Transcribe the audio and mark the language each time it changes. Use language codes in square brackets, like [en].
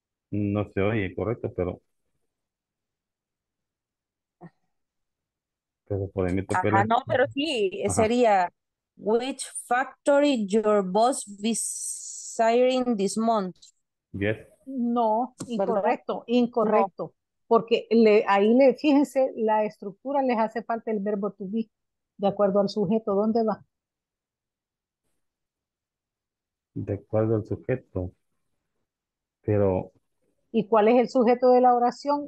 [es] No se oye correcto, pero por ahí me tope Ajá, no, pero sí, ajá. sería [en] which factory your boss visiting this month? Yes. [es] No, incorrecto, ¿verdad? Incorrecto. No. Porque fíjense, la estructura les hace falta el verbo to be, de acuerdo al sujeto, ¿dónde va? De acuerdo al sujeto, pero... ¿Y cuál es el sujeto de la oración?